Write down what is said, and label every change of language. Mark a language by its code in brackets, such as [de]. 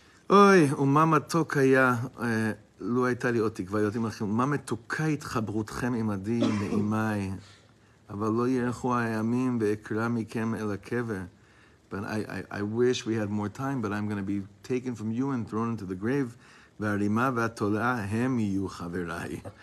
[he] אוי, ומה מתוק היה, לו הייתה לי עוד תקווה, להיות עם אחים, מה מתוקה התחברותכם עמדי, נעימי, אבל לא ירחו הימים ואקרא מכם אל הקבר. [en] But I wish we had more time, but I'm going to be taken from you and thrown into the grave. [he] והרימה והתולעה הם יהיו חבריי.